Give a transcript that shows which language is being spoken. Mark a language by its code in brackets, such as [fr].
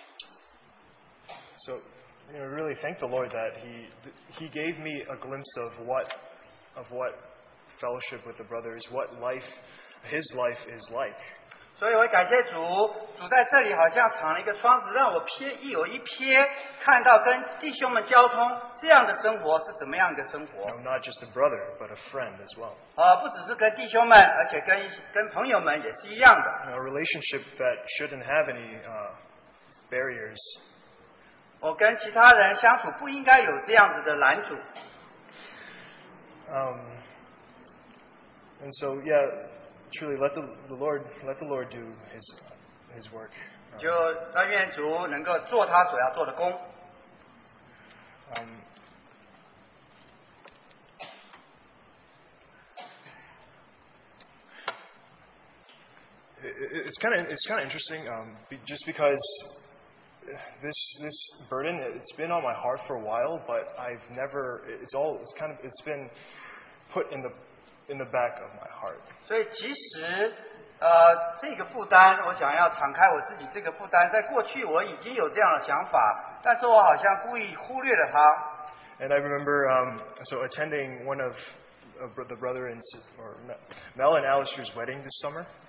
[zh] 所以主也提醒我，离了他，我不能做什么。So, [en] you know, really thank the Lord that He gave me a glimpse of what fellowship with the brothers, what life, His life is like. [zh] 所以我感谢主，主在这里好像藏了一个窗子，让我瞥一有一瞥，看到跟弟兄们交通这样的生活是怎么样的生活。 [en] No, not just a brother, but a friend as well. [zh] 不只是跟弟兄们，而且跟朋友们也是一样的。 [en] A relationship that shouldn't have any barriers. [zh] 我跟其他人相处不应该有这样子的拦阻。 [en] And so, yeah. Truly, let the Lord do His work. [zh] 就让愿主能够做他所要做的工。 [en] It's kind of interesting. Just because this burden, it's been on my heart for a while, but I've never. It's been put in the back of my heart. [zh] 所以其实，这个负担，我想要敞开我自己这个负担，在过去我已经有这样的想法，但是我好像故意忽略了它。And [en] I remember, attending one of the brothers or Mel and Alistair's wedding this summer.